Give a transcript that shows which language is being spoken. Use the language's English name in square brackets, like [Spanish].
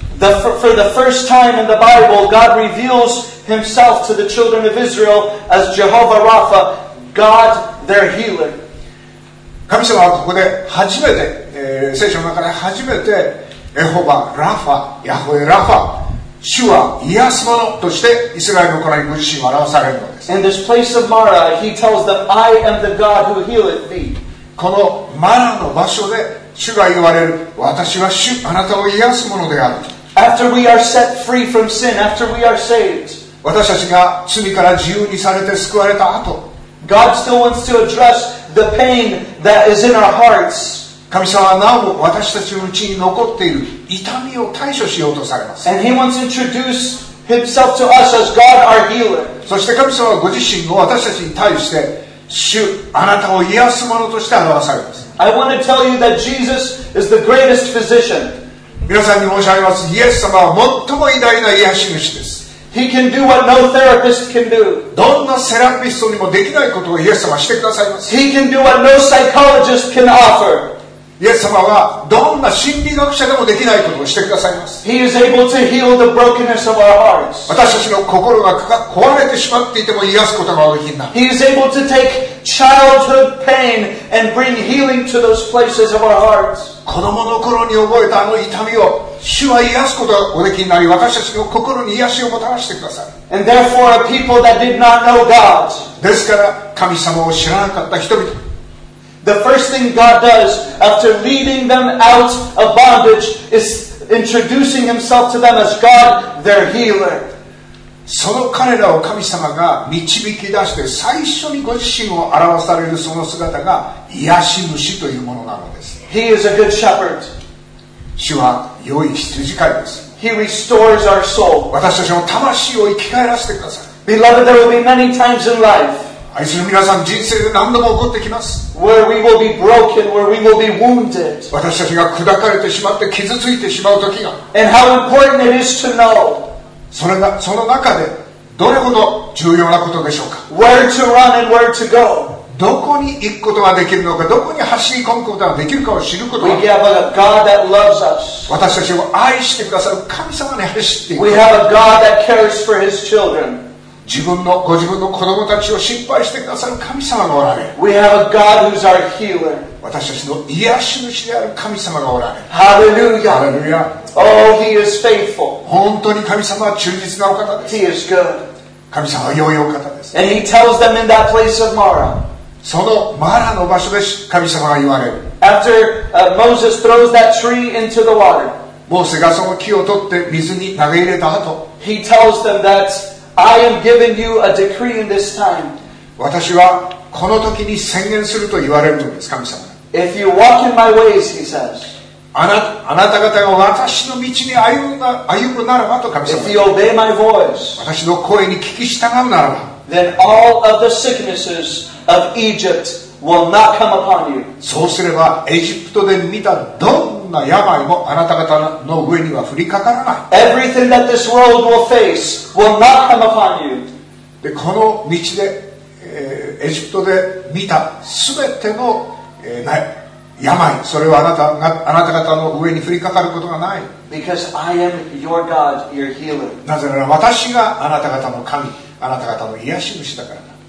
[English] For the first time in the Bible, God reveals himself to the children of Israel as Jehovah Rapha, God their healer. [Japanese] 神様はここで初めて、聖書の中で初めて、エホバ・ラファ、ヤホエ・ラファ、主は癒す者としてイスラエルの子らにご自身を表されるのです。 [English] In this place of Marah, he tells them, I am the God who healeth thee. [Japanese] このマラの場所で主が言われる、私は主、あなたを癒す者である。 [English] After we are set free from sin, after we are saved, [Japanese] 私たちが罪から自由にされて救われた後、 [English] God still wants to address the pain that is in our hearts. [Japanese] 神様はなお私たちのうちに残っている痛みを対処しようとされます。 [English] And he wants to introduce himself to us as God our healer. [Japanese] そして神様はご自身を私たちに対して主、あなたを癒す者として表されます。 [English] I want to tell you that Jesus is the greatest physician. [Japanese] 皆さんに申し上げます。イエス様は最も偉大な癒し主です。 [English] He can do what no therapist can do. [Japanese] どんなセラピストにもできないことをイエス様はしてくださいます。 [English] He can do what no psychologist can offer. [Japanese] イエス様はどんな心理学者でもできないことをしてくださいます。 [English] He is able to heal the brokenness of our hearts. [Japanese] 私たちの心が壊れてしまっていても癒すことができない。 [English] He is able to take childhood pain and bring healing to those places of our hearts. [Japanese] 子供の頃に覚えたあの痛みを主は癒すことができない。私たちの心に癒しをもたらしてください。 [English] And therefore, a people that did not know God. [Japanese] ですから神様を知らなかった人々。 [English] The first thing God does after leading them out of bondage is introducing Himself to them as God, their healer. [Japanese] その彼らを神様が導き出して最初にご自身を表されるその姿が癒し主というものなのです。 [English] He is a good shepherd. [Japanese] 主は良い羊飼いです。 [English] He restores our soul. [Japanese] 私たちの魂を生き返らせてください。 [English] Beloved, there will be many times in life. [Japanese] 愛する皆さん、人生で何度も起こってきます。 [English] Where we will be broken, where we will be wounded. [Japanese] 私たちが砕かれてしまって傷ついてしまう時が。 [English] And how important it is to know. [Japanese] それがその中でどれほど重要なことでしょうか。 [English] Where to run and where to go. [Japanese] どこに行くことができるのか、どこに走り込むことができるかを知ること [English] は。We have a God that loves us. [Japanese] 私たちを愛してくださる神様に走っていく。 [English] We have a God that cares for His children. [Japanese] 自分のご自分の子供たちを心配してくださる神様がおられる。 [English] We have a God who's our healer. [Japanese] 私たちの癒し主である神様がおられる。ハレルヤ。ハレルヤ。 [English] Oh, He is faithful. [Japanese] 本当に神様は忠実なお方です。 [English] He is good. [Japanese] 神様は良いお方です。 [English] And He tells them in that place of Mara. [Japanese] そのマラの場所で神様が言われる。 [English] After Moses throws that tree into the water. [Japanese] モーセがその木を取って水に投げ入れた後。 [English] He tells them that I am giving you a decree in this time. [Japanese] 私はこの時に宣言すると言われるのです、神様。 [English] If you walk in my ways, he says. [Japanese] あなた方が私の道に歩むならばと神様。 [English] If you obey my voice. [Japanese] 私の声に聞き従うならば。 [English] Then all of the sicknesses of Egypt will not come upon you. [Japanese] そうすればエジプトで見たどんな病もあなた方の上には降りかからない。 [English] Everything that this world will face will not come upon you. [Japanese] でこの道で、エジプトで見たすべての病、それはあなた方の上に降りかかることがない。 [English] Because I am your God, your healer. [Japanese] なぜなら私があなた方の神、あなた方の癒し主だからだ。